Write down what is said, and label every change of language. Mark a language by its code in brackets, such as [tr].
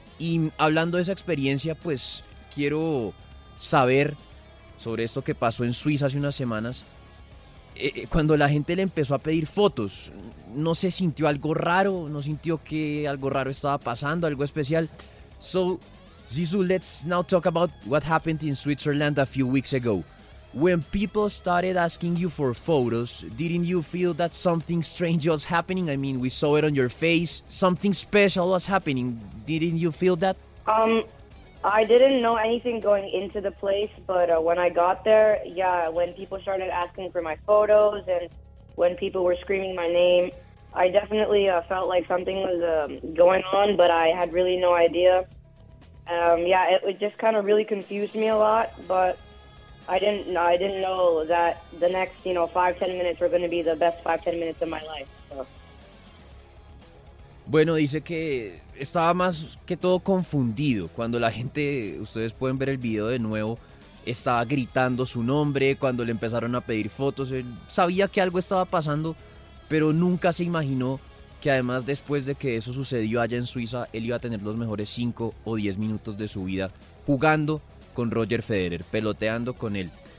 [es] Y hablando de esa experiencia, pues quiero saber sobre esto que pasó en Suiza hace unas semanas. Cuando la gente le empezó a pedir fotos, ¿no se sintió algo raro? ¿No sintió que algo raro estaba pasando, algo especial? [en] So... Sisu, let's now talk about what happened in Switzerland a few weeks ago. When people started asking you for photos, didn't you feel that something strange was happening? I mean, we saw it on your face. Something special was happening. Didn't you feel that? I didn't know anything going into the place, but when I got there, yeah, when people started asking for my photos and when people were screaming my name, I definitely felt like something was going on, but I had really no idea. Yeah, it just kind of really confused me a lot, but I didn't know that the next, you know, 5-10 minutes were going to be the best 5-10 minutes of my life. So. [es] Bueno, dice que estaba más que todo confundido cuando la gente, ustedes pueden ver el video de nuevo, estaba gritando su nombre cuando le empezaron a pedir fotos. Sabía que algo estaba pasando, pero nunca se imaginó que además después de que eso sucedió allá en Suiza, él iba a tener los mejores 5 o 10 minutos de su vida jugando con Roger Federer, peloteando con él.